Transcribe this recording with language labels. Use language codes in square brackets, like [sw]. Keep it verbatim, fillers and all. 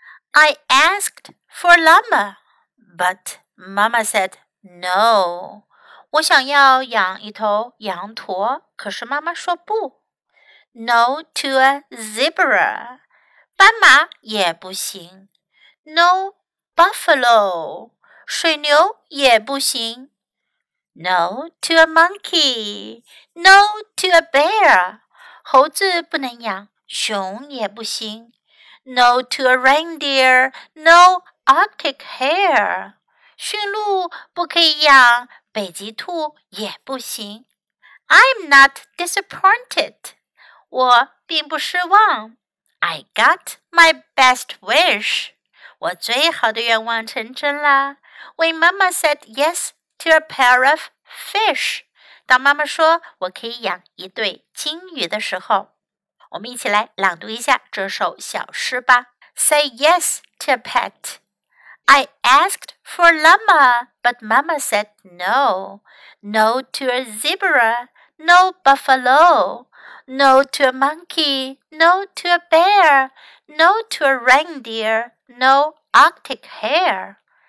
[en] I asked for llama, but Mama said no. [zh] 我想要养一头羊驼，可是妈妈说不。 [en] No to a zebra. [zh] 斑马也不行。 [en] No buffalo. [zh] 水牛也不行。 [en] No to a monkey. No to a bear. [zh] 猴子不能养，熊也不行。 [en] No to a reindeer. No Arctic hare. [zh] 驯鹿不可以养，北极兔也不行。 [en] I'm not disappointed. [zh] 我并不失望。 [en] I got my best wish. [zh] 我最好的愿望成真啦。 [en] When Mama said yes to a pair of fish. [zh] 当妈妈说我可以养一对金鱼的时候，我们一起来朗读一下这首小诗吧。 [en] Say yes to a pet. I asked for llama, but Mama said no. No to a zebra, no buffalo. No to a monkey, no to a bear. No to a reindeer, no Arctic hare.